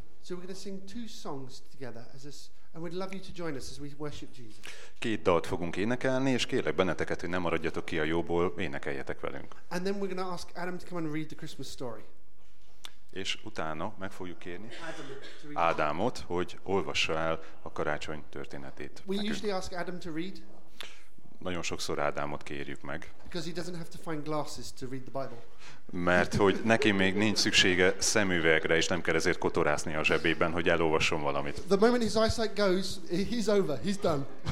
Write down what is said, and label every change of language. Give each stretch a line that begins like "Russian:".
English: So we're going to sing two songs together as a and we'd love you to join us as we worship Jesus.
Hungarian: Két dalt fogunk énekelni, és kérlek benneteket, hogy ne maradjatok ki a jóból, énekeljetek velünk.
English: And then we're going to ask Adam to come and read the Christmas story.
Hungarian: És utána meg fogjuk kérni Ádámot, hogy olvassa el a karácsony történetét.
English: We usually ask Adam to read.
Hungarian: Nagyon sokszor Ádámot kérjük meg.
English: Because he doesn't have to find glasses to read the Bible.
Hungarian: Mert hogy neki még nincs szüksége szemüvegre, és nem kell ezért kotorászni a zsebében, hogy elolvasson valamit.
English: The moment his eyesight goes, he's over, he's done.